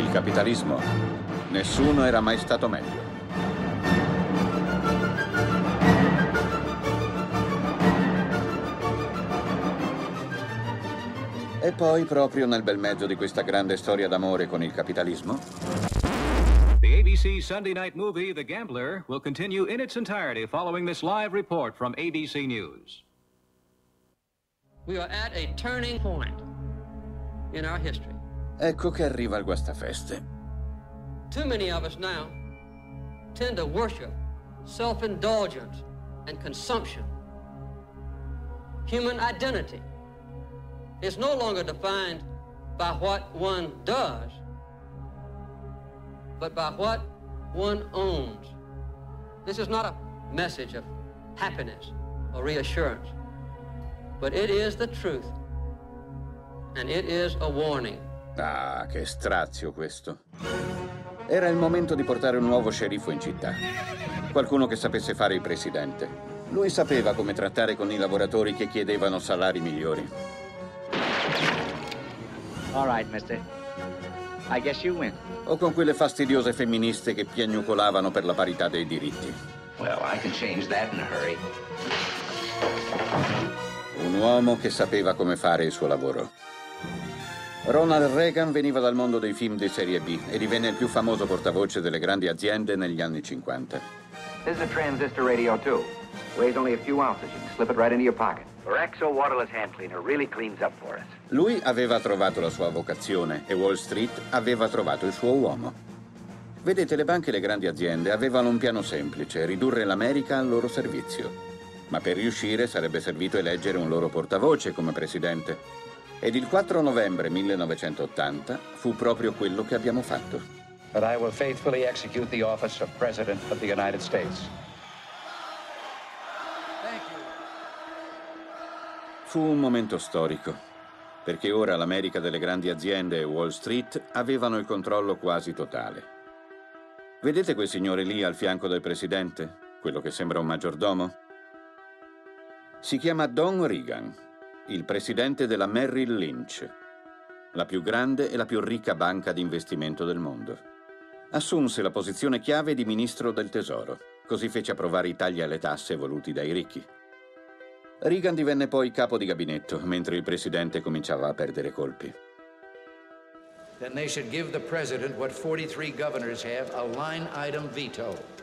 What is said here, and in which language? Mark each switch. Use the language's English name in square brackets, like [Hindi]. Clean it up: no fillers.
[Italian] Il capitalismo, nessuno era mai stato meglio. E poi, proprio nel bel mezzo di questa grande storia d'amore con il capitalismo... [English] The ABC Sunday night movie The Gambler will continue in its entirety following this live report from ABC News. We are at a turning point in our history. [Italian] Ecco che arriva il guastafeste. [English] Too many of us now tend to worship self-indulgence and consumption. Human identity is no longer defined by what one does, but by what one owns. This is not a message of happiness or reassurance, but it is the truth, and it is a warning. [Italian] Ah, che strazio questo. Era il momento di portare un nuovo sceriffo in città. Qualcuno che sapesse fare il presidente. Lui sapeva come trattare con i lavoratori che chiedevano salari migliori. [English] All right, mister. I guess you win. [Italian] O con quelle fastidiose femministe che piagnucolavano per la parità dei diritti. [English] Well, I can change that in a hurry. [Italian] Un uomo che sapeva come fare il suo lavoro. Ronald Reagan veniva dal mondo dei film di serie B e divenne il più famoso portavoce delle grandi aziende negli anni 50. [English] This is a transistor radio too. Weighs only a few ounces. You can slip it right into your pocket. Rexo Waterless Hand Cleaner really cleans up for us. [Italian] Lui aveva trovato la sua vocazione e Wall Street aveva trovato il suo uomo. Vedete, le banche e le grandi aziende avevano un piano semplice: ridurre l'America al loro servizio. Ma per riuscire sarebbe servito eleggere un loro portavoce come presidente. Ed il 4 novembre 1980 fu proprio quello che abbiamo fatto. [English] But I will faithfully execute the office of President of the United States. [Italian] Fu un momento storico, perché ora l'America delle grandi aziende e Wall Street avevano il controllo quasi totale. Vedete quel signore lì al fianco del presidente, quello che sembra un maggiordomo? Si chiama Don Reagan, il presidente della Merrill Lynch, la più grande e la più ricca banca di investimento del mondo. Assunse la posizione chiave di ministro del tesoro, così fece approvare i tagli alle tasse voluti dai ricchi. Reagan divenne poi capo di gabinetto, mentre il presidente cominciava a perdere colpi. [English] Then they should give the president what 43 governors have, a line item veto.